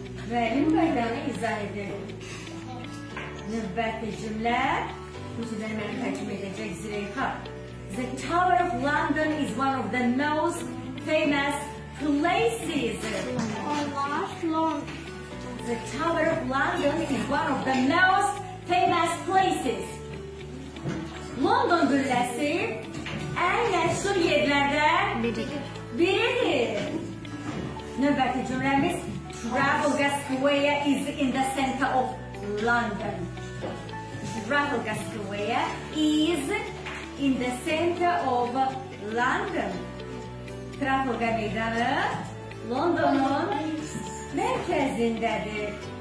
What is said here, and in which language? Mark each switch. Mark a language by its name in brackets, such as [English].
[Azerbaijani] Müəllim qaydanı izah edir. Növbəti cümlə. Bu cümləni mənə tərcümə edəcək Zireyha. [English] The Tower of London is one of the most famous places. The Tower of London is one of the most famous places. [Azerbaijani] London qülləsi ən məşhur yerlərdən biridir. Növbəti cümləmiz [English] Trafalgar Square is in the center of London. Trafalgar Square is in the center of London. [Azerbaijani] Trafalgar meydanı London'un mərkəzindədir.